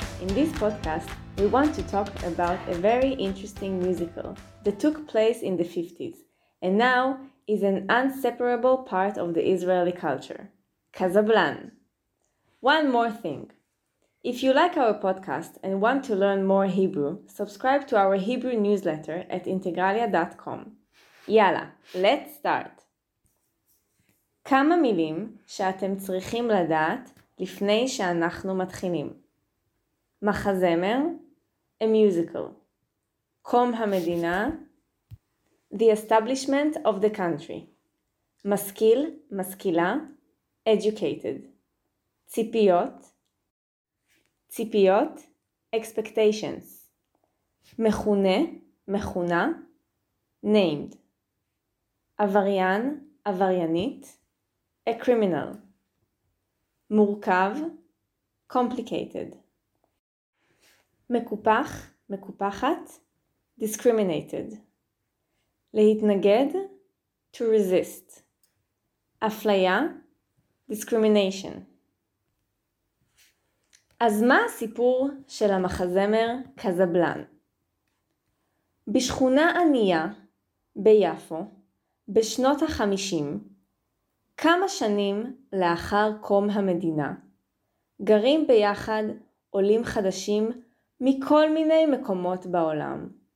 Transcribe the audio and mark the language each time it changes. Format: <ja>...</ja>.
<en>In this podcast, we want to talk about a very interesting musical that took place in the 50s and now is an inseparable part of the Israeli culture. KAZABLAN. One more thing. If you like our podcast and want to learn more Hebrew, subscribe to our Hebrew newsletter at integralia.com. יאללה, let's start.</en> <he>כמה מילים שאתם צריכים לדעת לפני שאנחנו מתחילים.</he> <en>מחזמר, a musical. קום המדינה, the establishment of the country.</en> <he>משכיל, משכילה, educated. ציפיות, ציפיות, expectations. מכונה, מכונה, named. עבריין, עבריינית, a criminal. מורכב, complicated. מקופח, מקופחת, discriminated.</he> <en>להתנגד, to resist.</en> <he>אפליה, discrimination. אז מה הסיפור של המחזמר קזבלן? בשכונה ענייה, ביפו, בשנות ה-50, כמה שנים לאחר קום המדינה, גרים ביחד עולים חדשים מכל מיני מקומות בעולם.</he>